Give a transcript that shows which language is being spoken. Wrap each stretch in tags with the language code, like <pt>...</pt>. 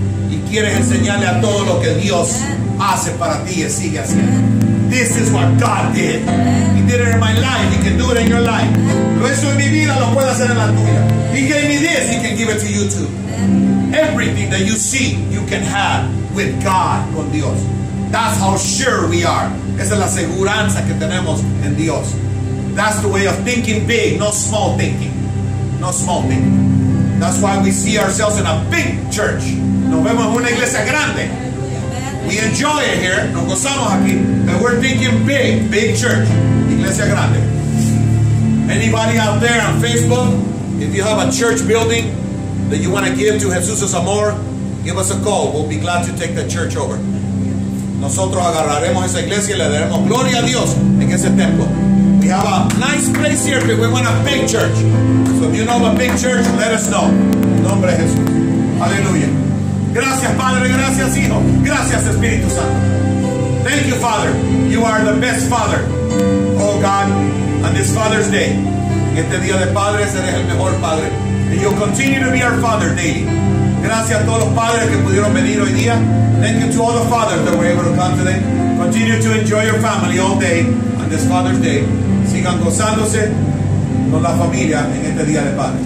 <es>Y quieres enseñarle a todo lo que Dios hace para ti y sigue haciendo.</es> <en>This is what God did. He did it in my life. He can do it in your life.</en> <es>Lo hizo en mi vida, lo puede hacer en la tuya.</es> <en>He gave me this. He can give it to you too. Everything that you see, you can have with God,</en> <es>con Dios.</es> <en>That's how sure we are.</en> <es>Esa es la seguridad que tenemos en Dios.</es> <en>That's the way of thinking big, not small thinking. Not small thinking. That's why we see ourselves in a big church.</en> <es>Nos vemos en una iglesia grande.</es> <en>We enjoy it here.</en> <es>Nos gozamos aquí.</es> <en>But we're thinking big, big church.</en> <es>Iglesia grande.</es> <en>Anybody out there on Facebook, if you have a church building that you want to give to Jesús Amor, give us a call. We'll be glad to take the church over.</en> <es>Nosotros agarraremos esa iglesia y le daremos gloria a Dios en ese templo.</es> <en>We have a nice place here, but we want a big church. So if you know of a big church, let us know.</en> <es>En nombre de Jesús. Aleluya. Gracias, Padre. Gracias, Hijo. Gracias, Espíritu Santo.</es> <en>Thank you, Father. You are the best Father. Oh, God, on this Father's Day.</en> <es>En este día de padres, eres el mejor Padre.</es> <en>And you'll continue to be our Father daily.</en> <es>Gracias a todos los padres que pudieron venir hoy día.</es> <en>Thank you to all the fathers that were able to come today. Continue to enjoy your family all day on this Father's Day.</en> <es>Sigan gozándose con la familia en este día de padres.</es>